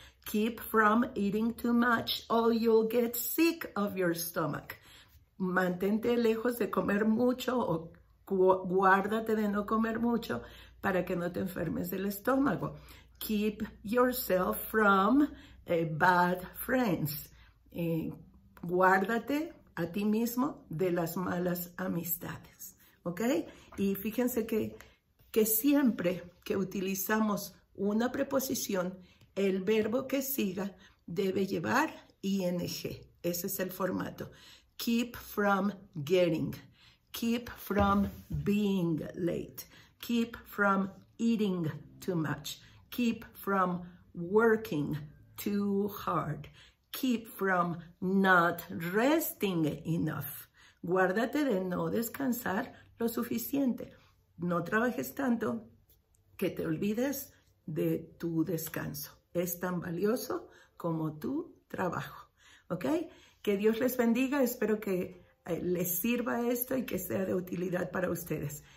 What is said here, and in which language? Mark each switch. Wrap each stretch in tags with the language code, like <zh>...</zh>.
<en>Keep from eating too much or you'll get sick of your stomach.</en> <es>Mantente lejos de comer mucho o guárdate de no comer mucho para que no te enfermes del estómago.</es> <en>Keep yourself from bad friends.</en> <es>Guárdate a ti mismo de las malas amistades. ¿Ok? Y fíjense que siempre que utilizamos una preposición, el verbo que siga debe llevar ing. Ese es el formato.</es> <en>Keep from getting. Keep from being late. Keep from eating too much. Keep from working too hard. Keep from not resting enough.</en> <es>Guárdate de no descansar lo suficiente. No trabajes tanto que te olvides de tu descanso. Es tan valioso como tu trabajo, ¿ok? Que Dios les bendiga, espero que les sirva esto y que sea de utilidad para ustedes.</es>